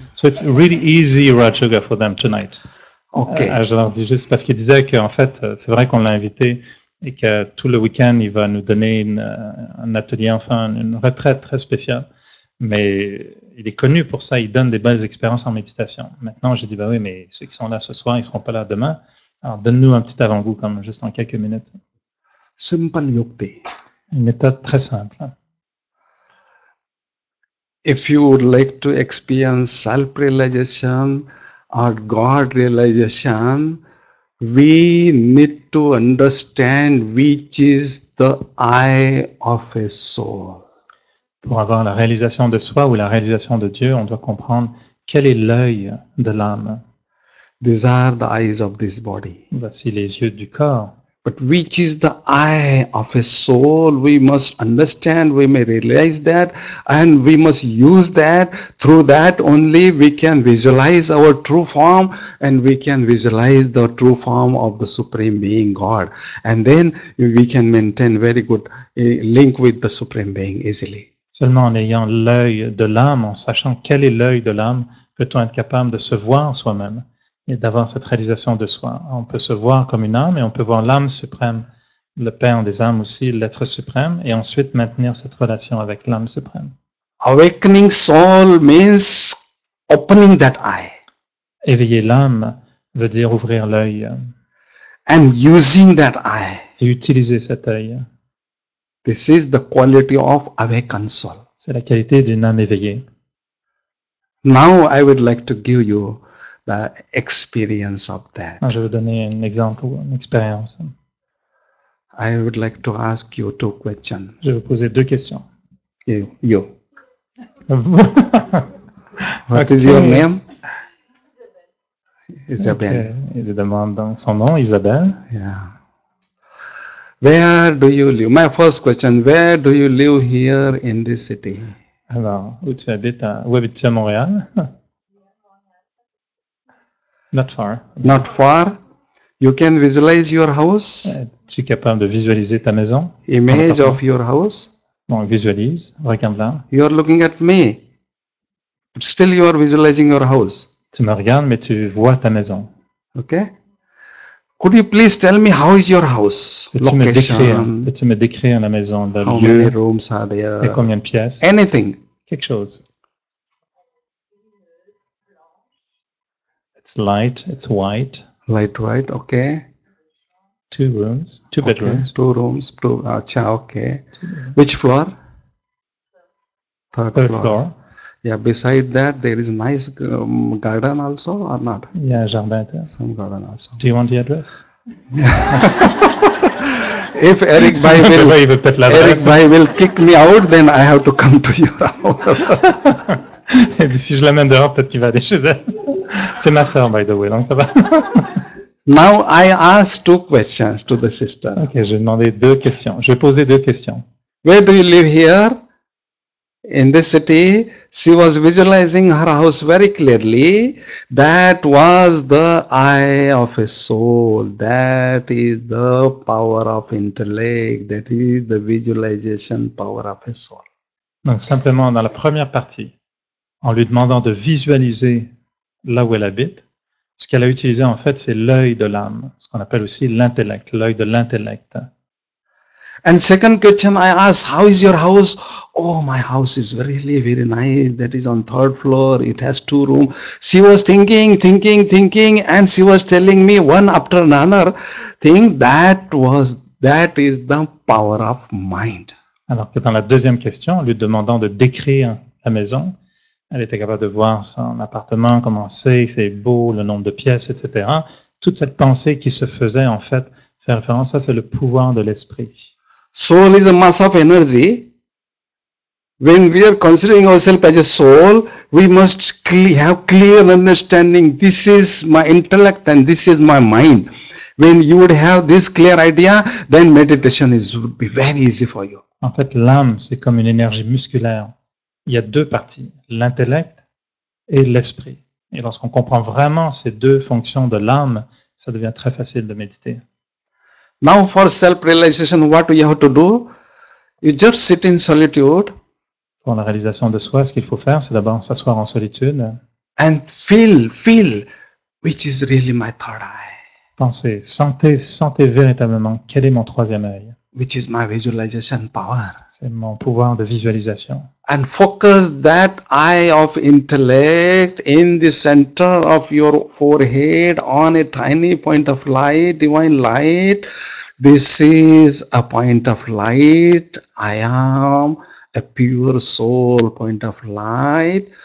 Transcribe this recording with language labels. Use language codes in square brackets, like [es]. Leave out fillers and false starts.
[en] So it's really easy, Rajoga, for them tonight. Okay. [fr] Je leur dis juste parce qu'il disait qu'en fait, c'est vrai qu'on l'a invité et que tout le week-end, il va nous donner un atelier, enfin, une retraite très spéciale. Mais il est connu pour ça, il donne des belles expériences en méditation. Maintenant, j'ai dit, bah oui, mais ceux qui sont là ce soir, ils ne seront pas là demain. Alors, donne-nous un petit avant-goût, comme juste en quelques minutes. [en] Simple yukti. [fr] Une méthode très simple. [en] If you would like to experience self-realization or God-realization, we need to understand which is the eye of a soul. [fr] Pour avoir la réalisation de soi ou la réalisation de Dieu, on doit comprendre quel est l'œil de l'âme. [en] These are the eyes of this body. [fr] Voici les yeux du corps. [en] But which is the eye of a soul? We must understand, we may realize that, and we must use that. Through that only we can visualize our true form, and we can visualize the true form of the Supreme Being, God. And then we can maintain very good link with the Supreme Being easily. [fr] Seulement en ayant l'œil de l'âme, en sachant quel est l'œil de l'âme, peut-on être capable de se voir soi-même. et d'avoir cette réalisation de soi. On peut se voir comme une âme et on peut voir l'âme suprême, le père des âmes aussi, l'être suprême, et ensuite maintenir cette relation avec l'âme suprême. [en] Awakening soul means opening that eye. [fr] Éveiller l'âme veut dire ouvrir l'œil. [en] And using that eye. [fr] Et utiliser cet œil. [en] This is the quality of awakened soul. [fr] C'est la qualité d'une âme éveillée. [en] Now I would like to give you the experience of that. [fr] Ah, je vais donner un exemple, une expérience. [en] I would like to ask you two questions. [fr] Je vais vous poser deux questions. [en] You. What is your name? Isabelle. [fr] Okay. Je demande donc son nom, Isabelle. [en] Yeah. Where do you live? My first question, where do you live here in this city? [fr] Alors, où tu habites à, où habites-tu à Montréal? [en] Not far. Not far. You can visualize your house. [fr] Es-tu capable de visualiser ta maison? [en] Image of your house. [fr] Bon, visualise, regarde-la. [en] You are looking at me. But still you are visualizing your house. [fr] Tu me regardes, mais tu vois ta maison. [en] Okay. Could you please tell me how is your house? [fr] Peux-tu me décrire la maison, le lieu, [en] many rooms are there? [fr] Et combien de pièces? [en] Anything. [fr] Quelque chose. [en] It's light, it's white. Light, white, okay. Two rooms, two bedrooms. Okay. Two rooms, two, acha, okay. Which floor? Third floor. Yeah, beside that there is nice garden also or not? Yeah, jardin, some garden also. Do you want the address? If Eric Bhai will kick me out, then I have to come to your house. [fr] Et si je l'amène dehors, peut-être qu'il va aller chez elle. C'est ma sœur, [en] by the way, [fr] donc ça va. [en] Now I ask two questions to the sister. [fr] Okay, je vais demander deux questions. Je vais poser deux questions. [en] Where do you live here? In this city, she was visualizing her house very clearly. That was the eye of a soul. That is the power of intellect. That is the visualization power of a soul. [fr] Donc simplement dans la première partie, en lui demandant de visualiser là où elle habite, ce qu'elle a utilisé en fait, c'est l'œil de l'âme, ce qu'on appelle aussi l'intellect, l'œil de l'intellect. [en] And second question I ask, how is your house? Oh, my house is really very nice. That is on third floor. It has two rooms. She was thinking, and she was telling me one after another thing. That is the power of mind. [fr] Alors que dans la deuxième question, en lui demandant de décrire la maison, elle était capable de voir son appartement, comment c'est beau, le nombre de pièces, etc. Toute cette pensée qui se faisait en fait fait référence, ça c'est le pouvoir de l'esprit. [en] Soul is a mass of energy. When we are considering ourselves as a soul, we must have clear understanding. This is my intellect and this is my mind. When you would have this clear idea, then meditation would be very easy for you. [fr] En fait, l'âme, c'est comme une énergie musculaire. Il y a deux parties, l'intellect et l'esprit. Et lorsqu'on comprend vraiment ces deux fonctions de l'âme, ça devient très facile de méditer. [en] Now for self-realization, what you have to do? You just sit in solitude. [fr] Pour la réalisation de soi, ce qu'il faut faire, c'est d'abord s'asseoir en solitude. [en] And feel, which is really my third eye. [fr] Pensez, sentez véritablement quel est mon troisième œil. [en] Which is my visualization power. [fr] C'est mon pouvoir de visualisation. [en] And focus that eye of intellect in the center of your forehead on a tiny point of light, divine light. This is a point of light. I am a pure soul point of light.